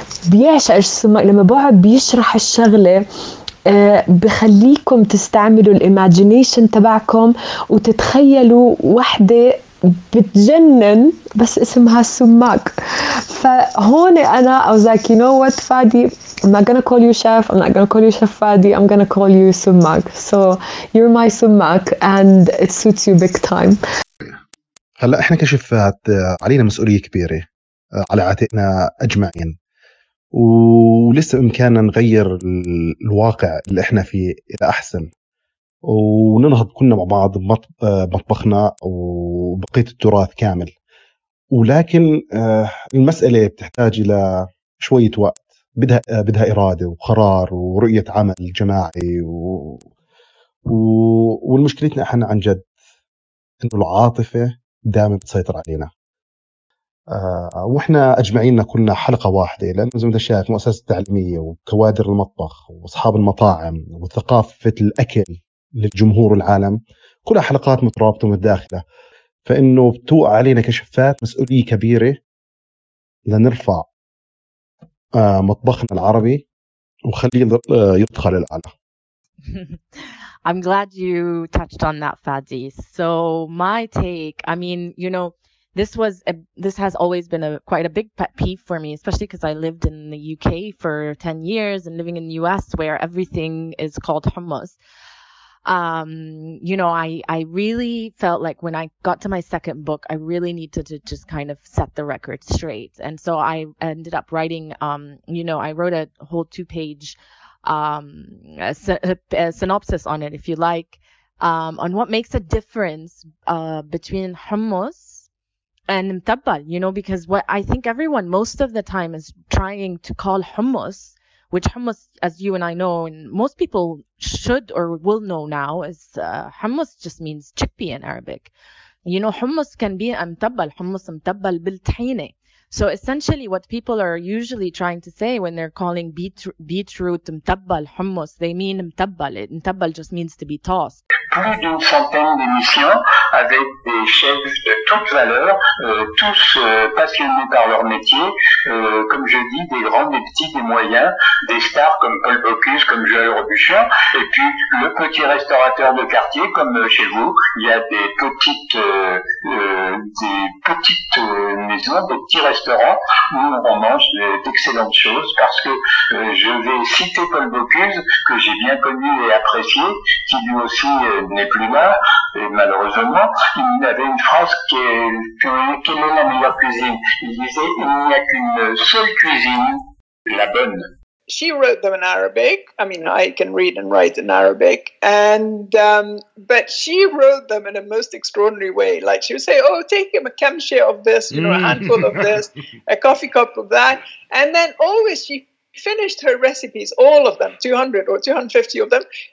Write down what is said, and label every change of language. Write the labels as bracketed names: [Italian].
[Arabic] بيعشق السمك لما بقعد بيشرح الشغلة بخليكم تستعملوا الإيماجينيشن تبعكم وتتخيلوا وحدة بتجنن بس اسمها سماك. فهون أنا [English] I was like, you know what, Fadi, I'm not gonna call you chef, I'm not gonna call you chef Fadi, I'm gonna call you سماك. So you're my سماك and it suits you big time. [Arabic] هلأ إحنا كشفات علينا مسؤولية كبيرة على عاتقنا أجمعين, ولسه بإمكاننا نغير الواقع اللي إحنا فيه إلى أحسن, وننهض كلنا مع بعض بمطبخنا وبقية التراث كامل. ولكن المسألة بتحتاج إلى شوية وقت, بدها إرادة وقرار ورؤية عمل جماعي. والمشكلتنا إحنا عن جد إنه العاطفة دائما بتسيطر علينا, وإحنا أجمعيننا كلنا حلقة واحدة, لأنه زي ما أنت شايف مؤسسة تعليمية وكوادر المطبخ وأصحاب المطاعم وثقافة الأكل للجمهور العالم كلها حلقات مترابطة متداخلة. فإنه بتوقع علينا كشفات مسؤولية كبيرة لنرفع مطبخنا العربي وخليه يطغى للأعلى. [English] I'm glad you touched on that, Fadi. So my take, I mean, you know, this has always been quite a big pet peeve for me, especially because I lived in the UK for 10 years and living in the US where everything is called hummus. You know, I really felt like when I got to my second book, I really needed to just kind of set the record straight. And so I ended up writing, you know, I wrote a whole 2-page synopsis on it, if you like, on what makes a difference between hummus and mtabbal, you know, because what I think everyone most of the time is trying to call hummus, which hummus, as you and I know, and most people should or will know now, is hummus just means chickpea in Arabic. You know, hummus can be mtabbal, hummus mtabbal bil tahine. So essentially what people are usually trying to say when they're calling beetroot mtabbal hummus, they mean mtabbal. Mtabbal just means to be tossed. [French] Pour do something délicieux avec des chefs de toute valeur, tous passionnés par leur métier, comme je dis, des grands, des petits, des moyens, des stars comme Paul Bocuse, comme Joël Robuchon, et puis le petit restaurateur de quartier comme chez vous, il y a des petites maisons, des petits restaurants où on mange d'excellentes choses, parce que je vais citer Paul Bocuse, que j'ai bien connu et apprécié, qui lui aussi n'est plus là, et malheureusement, il avait une phrase qui est « Quelle est la meilleure cuisine ?» Il disait « Il n'y a qu'une seule cuisine, la bonne. » [English] She wrote them in Arabic. I mean, I can read and write in Arabic. But she wrote them in a most extraordinary way. Like she would say, oh, take him a kamshe of this, you know, a handful of this, a coffee cup of that. And then always she finished her recipes, all of them, 200 or 250 of them.